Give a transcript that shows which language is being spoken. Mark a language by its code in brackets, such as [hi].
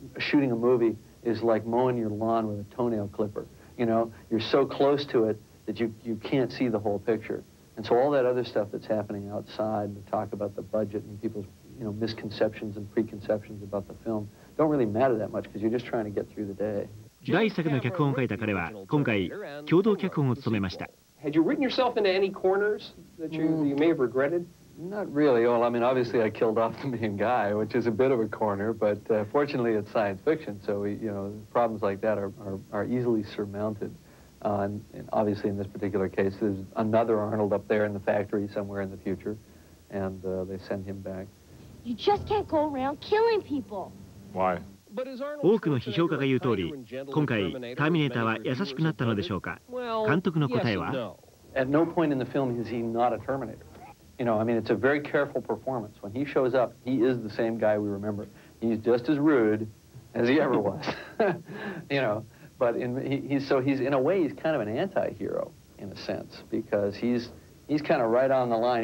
[en] Shooting a movieis like mowing your lawn with a toenail clipper. You know, you're so close to it that you can't see the whole picture. And so all that other stuff that's happening outside, the talk about the budget and people's, you know, misconceptions and preconceptions about the film, don't really matter that much because you're just trying to get through the day. [ja] 第一作の脚本を書いた彼は今回共同脚本を務めました。 [en] Had you written yourself into any corners that you may have regretted? Not really. Well, I mean, obviously I killed off the main guy, which is a bit of a corner, but fortunately it's science fiction, so we, you know, problems like that are easily surmounted. And obviously in this particular case, there's another Arnold up there in the factory somewhere in the future, and they send him back. You just can't go around killing people. Why? [ja] 多くの批評家が言う通り、今回ターミネーターは優しくなったのでしょうか。監督の答えは、 [en] At no point in the film is he not a Terminator. You know, I mean, it's a very careful performance. When he shows up, he is the same guy we remember. He's just as rude as he ever was. You know, but he's in a way, he's kind of an anti-hero, in a sense, because he's kind of right on the line.